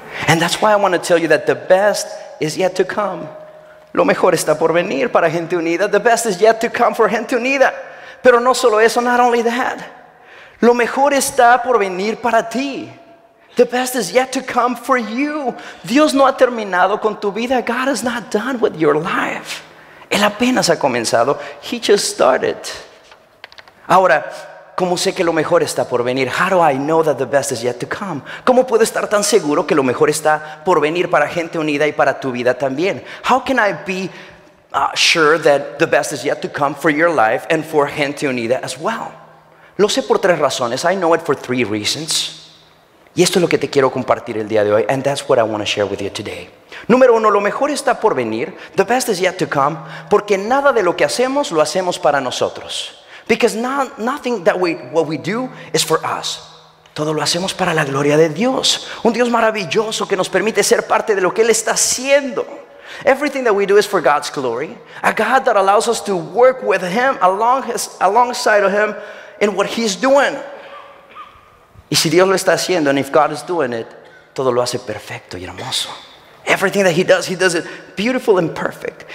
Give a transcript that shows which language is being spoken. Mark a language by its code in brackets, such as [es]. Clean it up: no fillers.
[en] And that's why I want to tell you that the best is yet to come. [es] Lo mejor está por venir para Gente Unida. [en] The best is yet to come for Gente Unida. [es] Pero no solo eso, [en] not only that. [es] Lo mejor está por venir para ti. [en] The best is yet to come for you. [es] Dios no ha terminado con tu vida. [en] God is not done with your life. [es] Él apenas ha comenzado. [en] He just started. [es] Ahora, ¿cómo sé que lo mejor está por venir? [en] How do I know that the best is yet to come? [es] ¿Cómo puedo estar tan seguro que lo mejor está por venir para Gente Unida y para tu vida también? [en] How can I be sure that the best is yet to come for your life and for Gente Unida as well? [es] Lo sé por tres razones. [en] I know it for three reasons. [es] Y esto es lo que te quiero compartir el día de hoy. [en] And that's what I want to share with you today. [es] Número uno, lo mejor está por venir. [en] The best is yet to come. [es] Porque nada de lo que hacemos, lo hacemos para nosotros. [en] Because nothing that what we do is for us. [es] Todo lo hacemos para la gloria de Dios. Un Dios maravilloso que nos permite ser parte de lo que Él está haciendo. [en] Everything that we do is for God's glory. A God that allows us to work with Him, alongside of Him, in what He's doing. [es] Y si Dios lo está haciendo, [en] and if God is doing it, [es] todo lo hace perfecto y hermoso. [en] Everything that he does it beautiful and perfect.